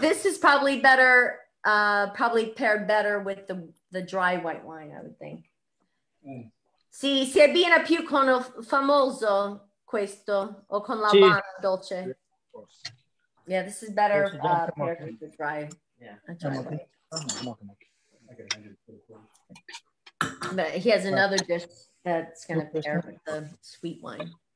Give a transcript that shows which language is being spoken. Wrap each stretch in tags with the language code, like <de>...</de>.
<en>This is probably better, probably paired better with the dry white wine, I would think.</en> <it>Sì, si abbina più con il famoso questo o con la vana dolce.</it> <en>Yeah, this is better paired with the dry. Yeah. But he has another dish that's going to pair with the sweet wine.</en>